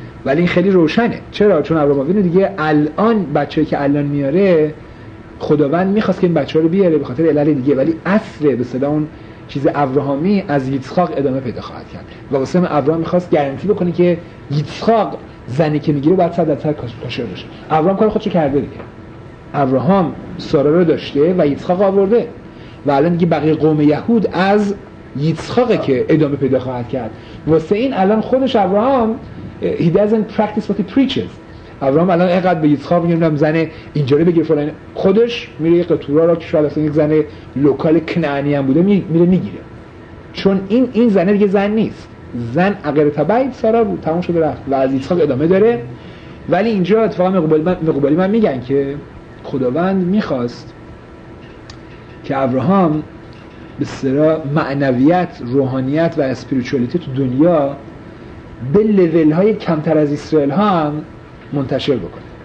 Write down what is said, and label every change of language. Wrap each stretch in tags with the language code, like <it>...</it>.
<fa>ولی این خیلی روشنه، چرا؟ چون ابراهاموینو دیگه الان بچه‌ای که الان میاره خداوند میخواست که این بچه رو بیاره به خاطر علل دیگه، ولی اصل به صدا اون چیز ابراهامی از یتخاق ادامه پیدا خواهد کرد و واسه من ابراهام میخواست گارانتی بکنه که یتخاق زنی که میگیره باید 100% کاشر باشه. ابراهام کار خودشو کرده دیگه، ابراهام سارا رو داشته و یتخاق آورده و الان دیگه بقیه قوم یهود از یتخاقه که ادامه پیدا خواهد کرد. واسه این الان خودش ابراهام</fa> <en>he doesn't practice what he preaches.</en> <fa>ابراهام الان اینقدر به یتخاق میگم زن اینجوری بگیر فلان، خودش میره یک قطورا را که شاید اصلا یک زن لوکال کنعانی هم بوده میره میگیره، چون این زنه دیگه زن نیست، زن اگر تبعید سارا بود تموم شده رفت و از یتخاق ادامه داره. ولی اینجا اتفاقا مقبالی من میگن که خداوند میخواست که ابراهام به سرا معنویت روحانیت و اسپریچوالیتی تو دنیا به لیول های کمتر از اسرائیل ها هم منتشر بکنه.</fa>